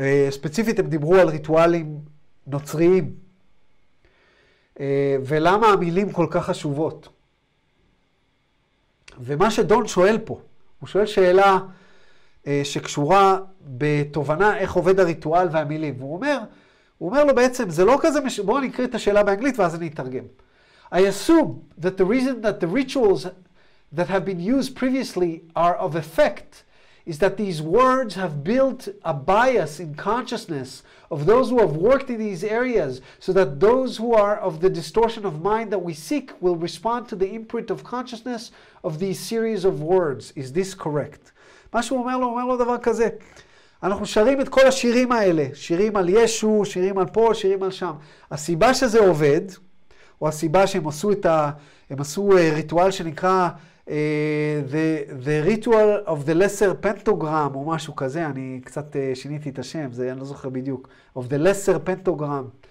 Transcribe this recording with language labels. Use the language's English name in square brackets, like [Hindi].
[Hebrew] ספציפית הם דיברו על ריטואלים נוצריים, ולמה המילים כל כך חשובות. ומה שדון שואל פה, הוא שואל שאלה שקשורה בתובנה איך עובד הריטואל והמילים. הוא אומר לו בעצם, זה לא כזה, בואו נקריא את השאלה באנגלית ואז אני אתרגם. [English] I assume that the reason that the rituals that have been used previously are of effect is that these words have built a bias in consciousness of those who have worked in these areas so that those who are of the distortion of mind that we seek will respond to the imprint of consciousness of these series of words. Is this correct? [Hebrew] מה שהוא אומר לו, הוא אומר לו דבר כזה. אנחנו שרים את כל השירים האלה, שירים על ישו, שירים על פה, שירים על שם. הסיבה שזה עובד, או הסיבה שהם עשו ריטואל שנקרא [English] the ritual of the lesser pentagram [Hebrew] או משהו כזה, אני קצת שיניתי את השם, זה אני לא זוכר בדיוק, [English] of the lesser pentagram.